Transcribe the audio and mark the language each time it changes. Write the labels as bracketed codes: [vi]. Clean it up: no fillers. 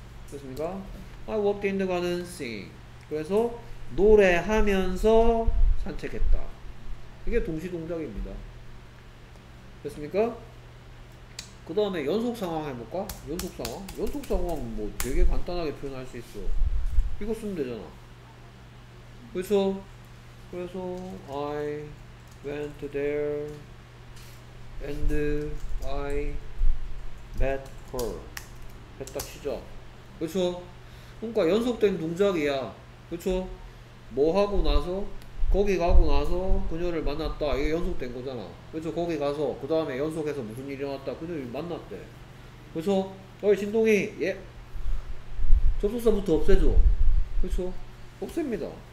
[ko] 됐습니까? [en] I walked in the garden singing. [ko] 그래서 노래하면서 산책했다. 이게 동시동작입니다. 됐습니까? 그 다음에 연속상황 해볼까? 연속상황? 연속상황 뭐 되게 간단하게 표현할 수 있어. 이거 쓰면 되잖아. 그래서 [en] I went there and I met her. [ko] 딱 시작. 그래서 그러니까 연속된 동작이야. 그쵸? 뭐 하고 나서 거기 가고 나서 그녀를 만났다. 이게 연속된 거잖아. 그쵸? 거기 가서 그 다음에 연속해서 무슨 일이 일어났다. 그녀를 만났대. 그쵸? 어이 신동이 예? 접속사부터 없애줘. 그쵸? 없앱니다.